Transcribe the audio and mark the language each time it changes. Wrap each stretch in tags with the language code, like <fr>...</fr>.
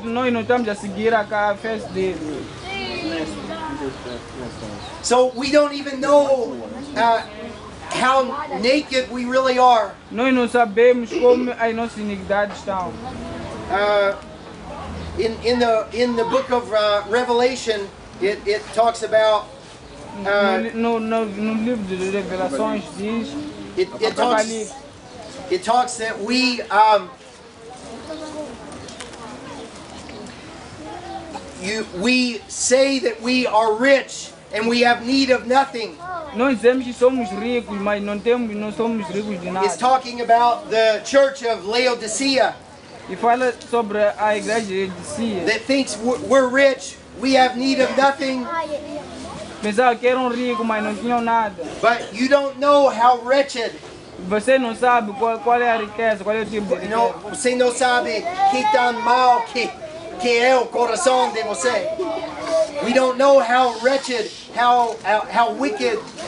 <pt>Nós não estamos a seguir a fé dele.</pt> <en>So we don't even know how naked we really are.</en> <pt>Nós não sabemos como a nossa iniquidade está.</pt> <en>In the book of Revelation, it talks about.</en> <pt>No livro de Revelações diz.</pt> <en>It talks that we we say that we are rich and we have need of nothing.</en> <pt>Nós dizemos que somos ricos, mas não somos ricos de nada.</pt> <en>It's talking about the church of Laodicea.</en> <pt>E fala sobre a igreja de Laodicea.</pt> <en>That thinks we're rich, we have need of nothing.</en> <pt>Pensava que eram ricos, mas não tinham nada.</pt> <en>But you don't know how wretched.</en> <pt>Você não sabe qual é a riqueza, qual é o tipo de riqueza. Você não sabe que tão mal que é o coração de você.</pt> <en>We don't know how wretched, how wicked.</en>